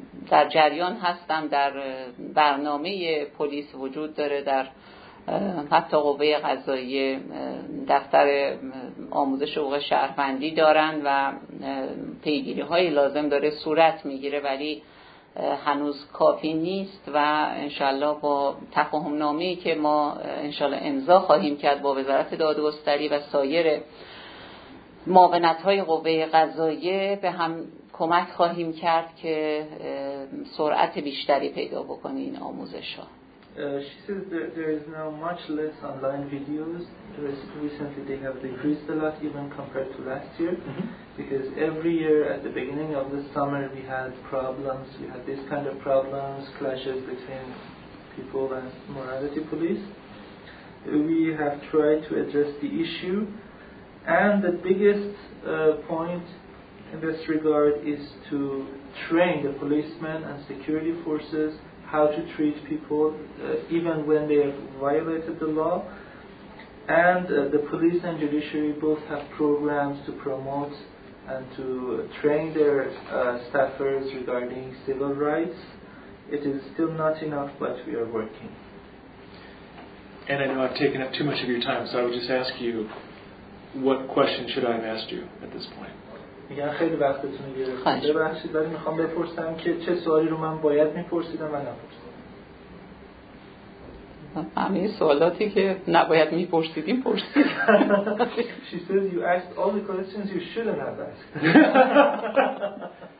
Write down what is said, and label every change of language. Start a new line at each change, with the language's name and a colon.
Persian: در جریان هستم، در برنامه پلیس وجود داره، در حتی قوه قضایی دفتر آموزش حقوق شهروندی دارن و پیگیری های لازم داره صورت میگیره، ولی هنوز کافی نیست و انشالله با تفاهم نامه‌ای که ما انشالله امضا خواهیم کرد با وزارت دادگستری و سایر معاونت های قوه قضاییه به هم کمک خواهیم کرد که سرعت بیشتری پیدا بکنه این آموزش ها.
English: She says that there is now much less online videos. Recently they have decreased a lot even compared to last year. Because every year at the beginning of the summer we had problems. We had this kind of problems, clashes between people and morality police. We have tried to address the issue. And the biggest point in this regard is to train the policemen and security forces how to treat people even when they have violated the law. And the police and judiciary both have programs to promote and to train their staffers regarding civil rights. It is still not enough, but we are working. And I know I've taken up too much of your time, so I would just ask you, what question should I have asked you at this point?
Persian: میگن خیلی وقتتون رو گرفتید، ببخشید، ولی میخوام بپرسم که چه سوالی رو من باید میپرسیدم و نپرسیدم؟ همه سوالاتی که نباید میپرسیدیم پرسیدید.
English: She says you asked all the questions you shouldn't have asked.